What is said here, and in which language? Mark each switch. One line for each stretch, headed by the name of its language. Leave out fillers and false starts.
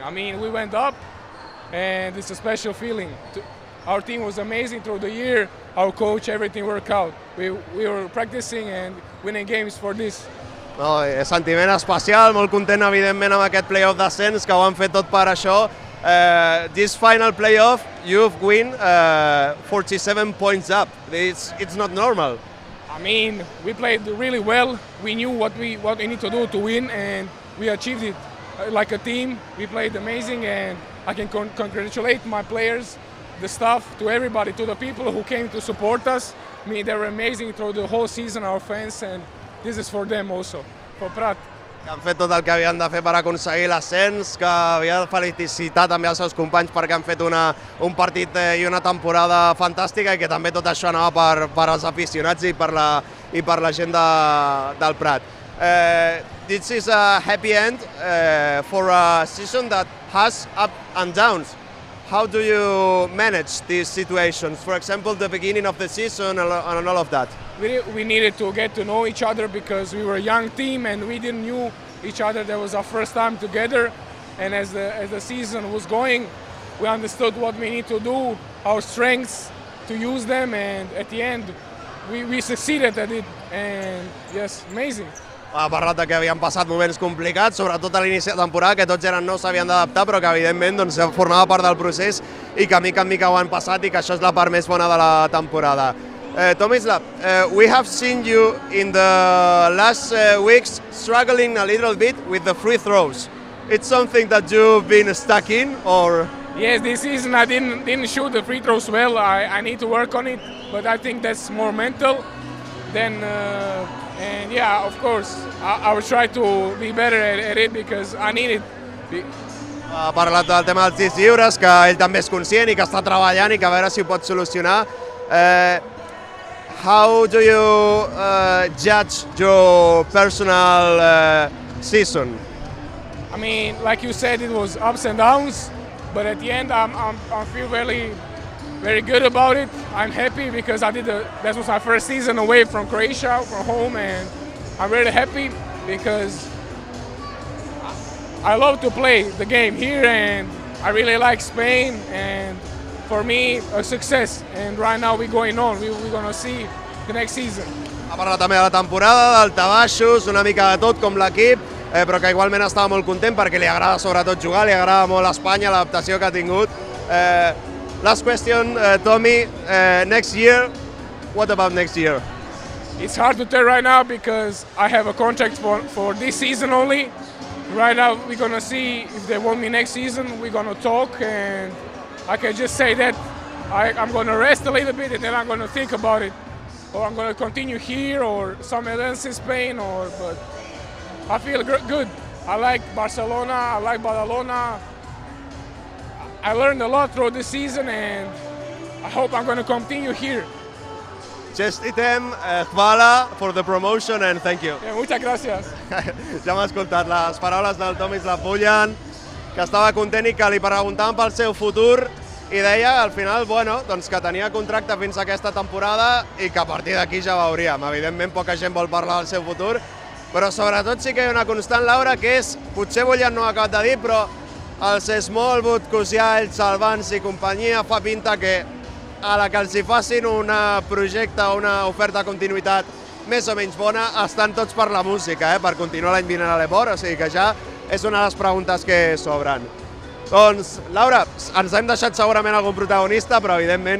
English: I mean, we went up, and it's a special feeling. Our team was amazing through the year. Our coach, everything worked out. We were practicing and winning games for this.
Catalan: No, és sentiment especial, molt content evidentment amb aquest playoff d'ascens que ho han fet tot per això.
English: This final playoff, you've win 47 points up. It's not normal. I mean, we played really well. We knew what we need to do to win, and we achieved it. Like a team, we played amazing, and I can congratulate my players, the staff, to everybody, to the people who came to support us. I mean, they were amazing through the whole season, our fans, and this is for them also, for Prat.
Catalan: Han fet tot el que havien de fer per aconseguir l'ascens, que havia de felicitar també els seus companys perquè han fet un partit i una temporada fantàstica i que també tot això anava per als aficionats i per la gent del Prat.
English: This is a happy end for a season that has up and downs. How do you manage these situations? For example, the beginning of the season and all of that. We needed to get to know each other because we were a young team and we didn't know each other. That was our first time together. And as the season was going, we understood what we need to do, our strengths, to use them. And at the end, we succeeded at it. And yes, amazing.
Catalan: Ha parlat que havien passat moments complicats, sobretot a l'inici de temporada, que tots eren nous, s'havien d'adaptar, però que evidentment doncs, formava part del procés i que mica en mica ho han passat i que això és la part més bona de la temporada.
English: Tomislav, we have seen you in the last weeks struggling a little bit with the free throws. It's something that you've been stuck in, or...? Yes, this season I didn't shoot the free throws well. I need to work on it, but I think that's more mental than... And yeah, of course, I will try to be better at it because I need it.
Catalan: Ha parlat del tema dels tirs lliures, que ell també és conscient i que està treballant i que a veure si ho pot solucionar.
English: How do you judge your personal season? I mean, like you said, it was ups and downs, but at the end I feel really, very good about it. I'm happy because I did that was my first season away from Croatia, from home, and I'm really happy because I love to play the game here and I really like Spain, and for me, a success. And right now we're going on, we're gonna see the next season.
Catalan: Ha parlat també de la temporada, d'altabaixos, una mica de tot com l'equip, però que igualment estava molt content perquè li agrada sobretot jugar, li agrada molt Espanya, l'adaptació que ha tingut.
English: Last question, Tommy, next year, what about next year? It's hard to tell right now because I have a contract for this season only. Right now we're gonna see if they want me next season, we're gonna talk, and I can just say that I'm gonna rest a little bit and then I'm gonna think about it. Or I'm gonna continue here or somewhere else in Spain, but I feel good. I like Barcelona, I like Badalona. I learned a lot through this season and I hope I'm going to continue here.
Croatian: Chestitem, Kvala,
English: for the promotion and thank you.
Spanish: Yeah, muchas gracias.
Catalan: Ja m'ha escoltat les paraules del Tomislav Bujan, que estava content i que li preguntaven pel seu futur i deia al final bueno, doncs que tenia contracte fins aquesta temporada i que a partir d'aquí ja veuríem. Evidentment poca gent vol parlar del seu futur, però sobretot sí que hi ha una constant, Laura, que és, potser Bujan no ho ha acabat de dir, però els Smallwood, Cusials, Albans i companyia fa pinta que a la que els hi facin un projecte o una oferta de continuïtat més o menys bona, estan tots per la música, per continuar l'any vinent a l'Ebor, o sigui que ja és una de les preguntes que s'obren. Doncs, Laura, ens hem deixat segurament algun protagonista, però evidentment...